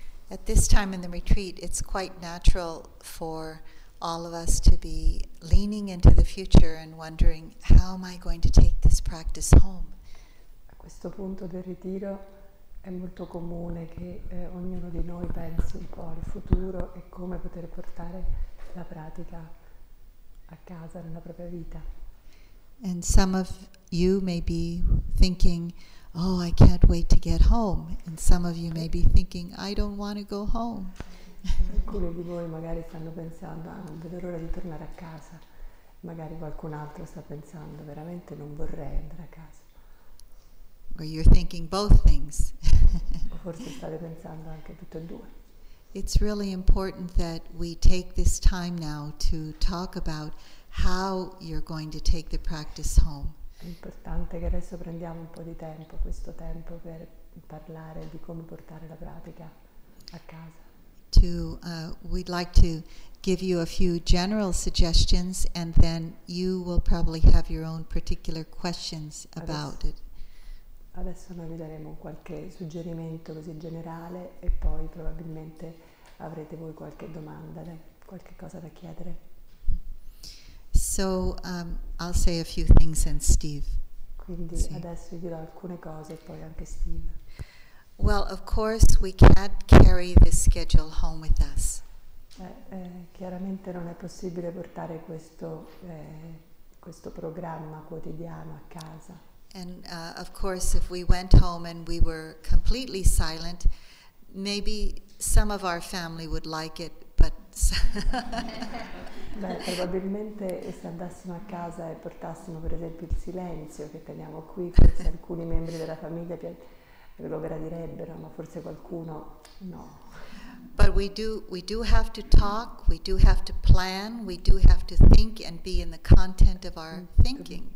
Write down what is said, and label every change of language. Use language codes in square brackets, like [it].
[en] At this time in the retreat, it's quite natural for all of us to be leaning into the future and wondering, how am I going to take this practice home? [it] A questo punto del ritiro è molto comune che ognuno di noi pensi un po' al futuro e come poter portare la pratica a casa nella propria vita. [en] And some of you may be thinking, oh, I can't wait to get home. And some of you may be thinking, I don't want to go home. [it] Alcuni di voi magari stanno pensando, ah, non vedo l'ora di tornare a casa. Magari qualcun altro sta pensando, veramente non vorrei andare a casa. [en] Or you're thinking both things. [it] O forse state pensando anche tutte e due. [en] It's really important that we take this time now to talk about how you're going to take the practice home. [it] È importante che adesso prendiamo un po' di tempo, questo tempo, per parlare di come portare la pratica a casa. [en] We'd like to give you a few general suggestions and then you will probably have your own particular questions about it. [it] Adesso noi vi daremo qualche suggerimento così generale e poi probabilmente avrete voi qualche domanda, qualche cosa da chiedere. [en] So I'll say a few things and Steve. [it] Quindi adesso dirò alcune cose e poi anche Steve. [en] Well, of course we can't carry this schedule home with us. [it] Chiaramente non è possibile portare questo programma quotidiano a casa. [en] And of course if we went home and we were completely silent, maybe some of our family would like it, but [it] Beh, probabilmente se andassimo a casa e portassimo per esempio il silenzio che teniamo qui, forse alcuni membri della famiglia lo gradirebbero, ma forse qualcuno no. [en] But we do have to talk, we do have to plan, we do have to think and be in the content of our thinking.